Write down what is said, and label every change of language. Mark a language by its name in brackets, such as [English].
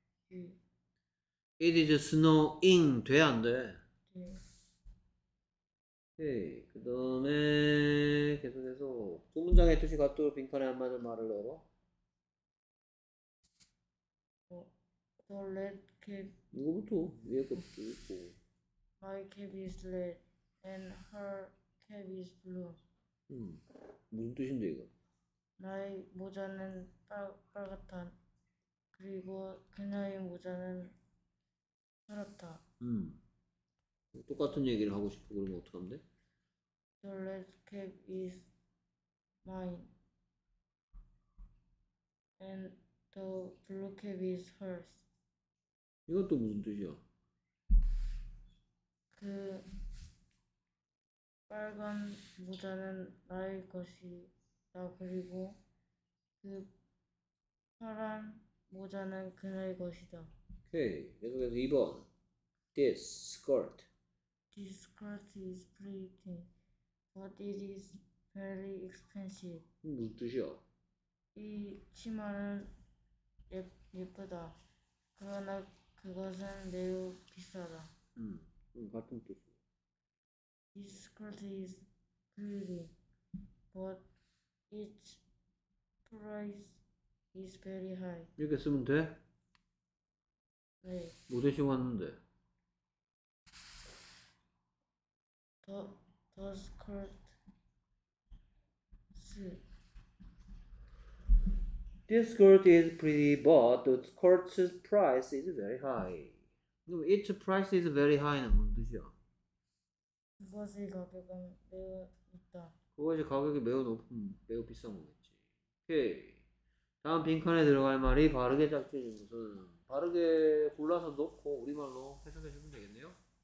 [English] It is snowing. [Korean] 돼 안 돼? [English] 오케이. [Korean] 그 다음에 계속해서 두 문장의 뜻이 같도록 빈칸에 안 맞을 말을 넣어. [English] The red cap. [Korean] 이거부터 위에 것도 있고. [English] My cap is red and her cap is blue. [Korean] 무슨 뜻인데 이거? 나의 모자는 빨갛다. 그리고 그녀의 모자는 파랗다. 똑같은 얘기를 하고 싶어 그러면 어떡하면 돼? [English] The red cap is mine and the blue cap is hers. [Korean] 이것도 무슨 뜻이야? 그 빨간 모자는 나의 것이다. 그리고 그 파란 모자는 그녀의 것이다. 오케이. 계속해서 2번. [English] This skirt. This skirt is pretty, but it is very expensive. [Korean] 무슨 뜻이야? 이 치마는 예쁘다. 그러나 그것은 매우 비싸다. 같은 뜻이야. [English] This skirt is pretty, but its price is very high. [Korean] 이렇게 쓰면 돼? 네. 뭐 대신 왔는데? [English] The skirt. This skirt is pretty, but the skirt's price is very high. Its price is very high는 [Korean] 무슨 뜻이야? 그것이 가격이 매우 높다. 그것이 가격이 매우 높은, 매우 비싼 거겠지. 오케이. 다음 빈칸에 들어갈 말이 바르게 짝지은 것은 바르게 골라서 넣고 우리말로 해석해 주면 되겠네요.